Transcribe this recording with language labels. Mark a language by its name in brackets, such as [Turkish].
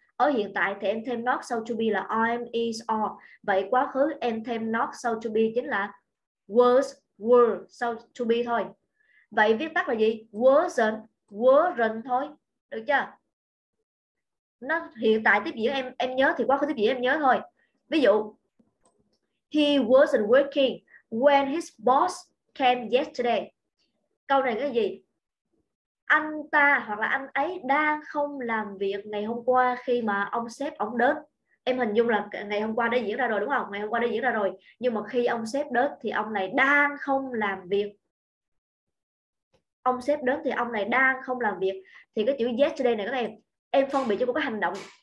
[Vietnamese] Ở hiện tại thì em thêm not sau to be là am, is, are. Vậy quá khứ em thêm not sau to be chính là was, were sau to be thôi. Vậy viết tắt là gì? Wasn't, weren't thôi. Được chưa? Nó hiện tại tiếp diễn em nhớ thì quá khứ tiếp diễn em nhớ thôi. Ví dụ, [English] he wasn't working when his boss came yesterday. [Vietnamese] Câu này cái gì? Anh ta hoặc là anh ấy đang không làm việc ngày hôm qua khi mà ông sếp ông đến. Em hình dung là ngày hôm qua đã diễn ra rồi đúng không? Ngày hôm qua đã diễn ra rồi. Nhưng mà khi ông sếp đến thì ông này đang không làm việc. Ông sếp đến thì ông này đang không làm việc. Thì cái chữ yesterday này các em phân biệt cho cô cái hành động.